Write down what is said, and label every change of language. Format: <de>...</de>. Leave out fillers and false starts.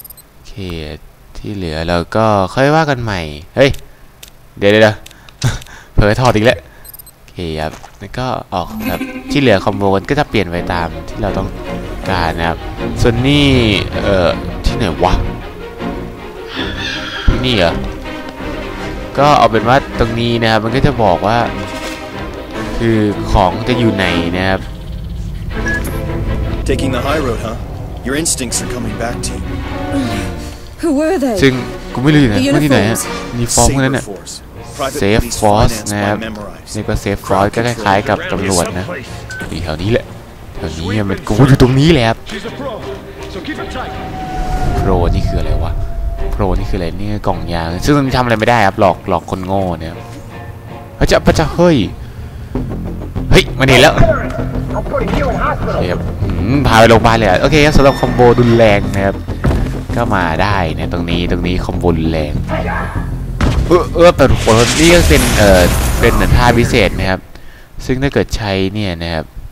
<th>โอเคที่เหลือเราก็ค่อยว่ากันใหม่เฮ้ยเดี๋ยวเผลอถอดอีกแล้วโอเคครับแล้วก็ออกครับที่เหลือคอมโบกันก็จะเปลี่ยนไปตามที่เราต้องการนะครับส่วนนี้ที่ไหนวะที่นี่เหรอก็เอาเป็นว่าตรงนี้นะครับมันก็จะบอกว่าคือของจะอยู่ไหนนะครับ</th> <en>Taking the high road, huh? Your instincts are coming back to you. Who were they?</en> <th>ซึ่งกูไม่รู้อยู่ไหนที่ไหนนี่ฟอร์มคนนั้นน่ะ Safe Force นะครับนี่ก็ Safe Force ก็คล้ายๆกับตำรวจนะนี่แถวนี้แหละแถวนี้เนี่ยมันกูอยู่ตรงนี้แหละ Pro นี่คืออะไรวะโปรนี่คืออะไรเนี่ยกล่องยาซึ่งมันทำอะไรไม่ได้ครับหลอกคนโง่เนี่ยพระเจ้าเฮ้ยเฮ้ยมาเห็นแล้วครับพาไปโรงพยาบาลเลยโอเคครับสำหรับคอมโบดุลแรงนะครับก็มาได้นะตรงนี้คอมโบดุลแรงแต่ทุกคนนี่ก็เป็นเหมือนท่าพิเศษนะครับซึ่งถ้าเกิดใช้เนี่ยนะครับ</th>